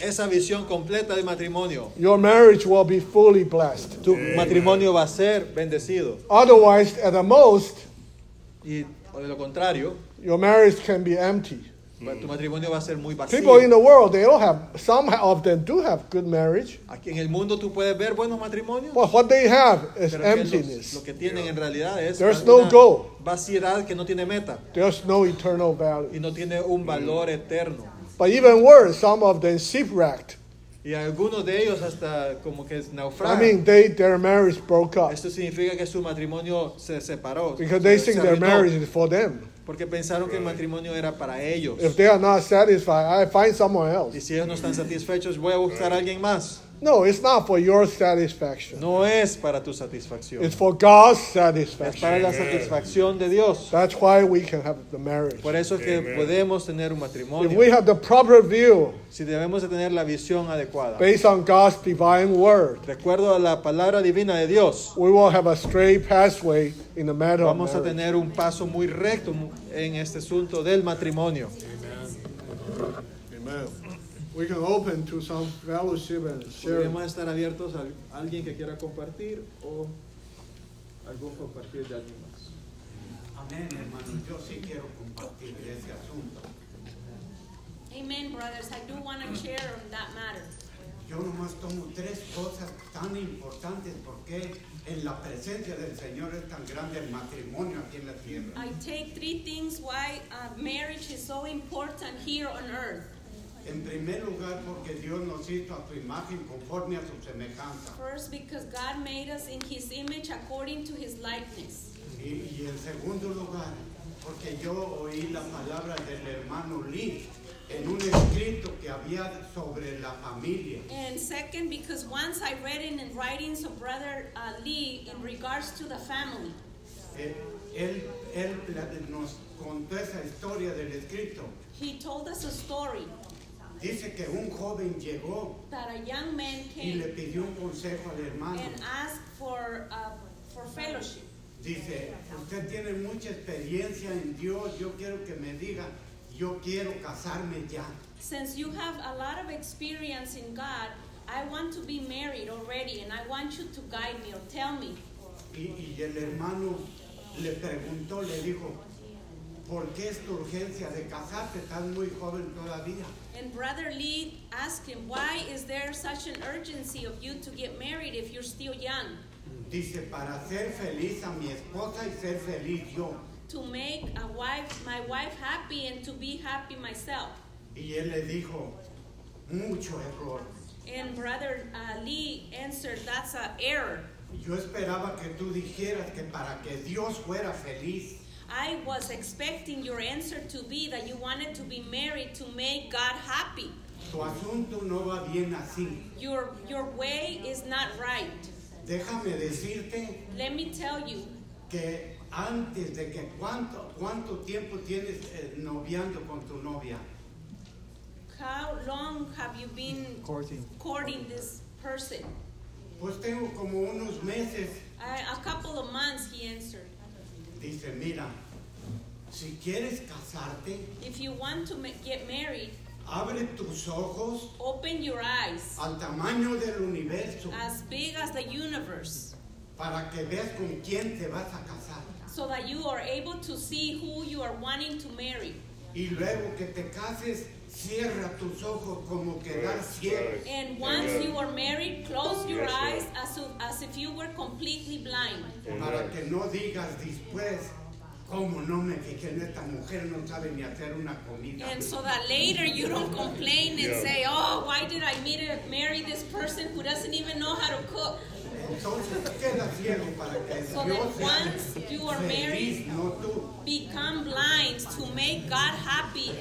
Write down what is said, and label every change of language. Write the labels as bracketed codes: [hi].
[es] esa visión completa de matrimonio, [en] your marriage will be fully blessed. [es] Tu matrimonio va a ser bendecido. [en] Otherwise, at the most, [es] y de lo contrario, [en] your marriage can be empty. [es] Tu matrimonio va a ser muy vacío. [en] People in the world, they all have, some of them do have good marriage. [es] Aquí en el mundo tú puedes ver buenos matrimonios. [en] But what they have is emptiness. [es] Lo que tienen en realidad es, [en] there's no goal. [es] Vaciedad que no tiene meta. [en] There's no eternal value. [es] Y no tiene un valor eterno. [en] But even worse, some of them shipwrecked. [es] Y algunos de ellos hasta como que naufragan. [en] I mean, their marriage broke up. [es] Esto significa que su matrimonio se separó. [en] Because they think their marriage is for them. [es] Porque pensaron que el matrimonio era para ellos. [en] If they are not satisfied, I find someone else. [es] Y si ellos no están satisfechos, voy a buscar a alguien más. [en] No, it's not for your satisfaction. [es] No es para tu satisfacción. [en] It's for God's satisfaction. [es] Es para la satisfacción de Dios. [en] That's why we can have the marriage. [es] Por eso es que podemos tener un matrimonio. [en] If we have the proper view. [es] Si debemos de tener la visión adecuada. [en] Based on God's divine word. [es] De acuerdo a la palabra divina de Dios. [en] We will have a straight pathway in the matter of [es] marriage. Vamos a tener un paso muy recto en este asunto del matrimonio. [en] Amen. Amen. We can open to some fellowship and share. [es] Podemos estar abiertos a alguien que quiera compartir o algún compartir de alguien más. Amén, hermano. Yo sí quiero compartir de ese asunto. [en] Amen, brothers. I do want to share on that matter. [es] Yo nomás tomo tres cosas tan importantes porque en la presencia del Señor es tan grande el matrimonio aquí en la tierra. [en] I take three things why marriage is so important here on earth. [es] En primer lugar, porque Dios nos hizo a su imagen conforme a su semejanza. [en] First, because God made us in His image according to His likeness. [es] Y en segundo lugar, porque yo oí la palabra del hermano Lee en un escrito que había sobre la familia. [en] And second, because once I read it in writings of Brother Lee in regards to the family. [es] Él nos contó esa historia del escrito. [en] He told us a story. [es] Dice que un joven llegó y le pidió un consejo al hermano. [en] And asked for fellowship. [es] Dice, usted tiene mucha experiencia en Dios, yo quiero que me diga, yo quiero casarme ya. [en] Since you have a lot of experience in God, I want to be married already and I want you to guide me or tell me. [es] Y el hermano le preguntó, le dijo, ¿por qué es tu urgencia de casarte? Estás muy joven todavía. [en] And Brother Lee asked him, why is there such an urgency of you to get married if you're still young? [es] Dice, para ser feliz a mi esposa y ser feliz yo. [en] To make a wife, my wife happy and to be happy myself. [es] Y él le dijo, mucho error. [en] And Brother Lee answered, that's an error. [es] Yo esperaba que tú dijeras que para que Dios fuera feliz. [en] I was expecting your answer to be that you wanted to be married to make God happy. [es] Tu asunto no va bien así. [en] Your way is not right. [es] Déjame decirte. [en] Let me tell you. [es] Que antes de que cuánto tiempo tienes noviando con tu novia. [en] How long have you been courting this person? [es] Pues tengo como unos meses. [en] A couple of months, he answered. [es] Dice, mira, si quieres casarte, [en] if you want to get married, [es] abre tus ojos, [en] open your eyes, [es] al tamaño del universo, [en] as big as the universe, [es] para que veas con quién te vas a casar, [en] so that you are able to see who you are wanting to marry. [es] Y luego que te cases, Cierra tus ojos como quedar ciego. [en] And once you are married, close your eyes as if you were completely blind. [es] Para que no digas después, como no me fijé en esta mujer, no sabe ni hacer una comida. [en] And so that later you don't complain and say, oh, why did I marry this person who doesn't even know how to cook? [es] Entonces queda ciego para que [en] so [es] Dios [en] then once you are married, become blind to make God happy and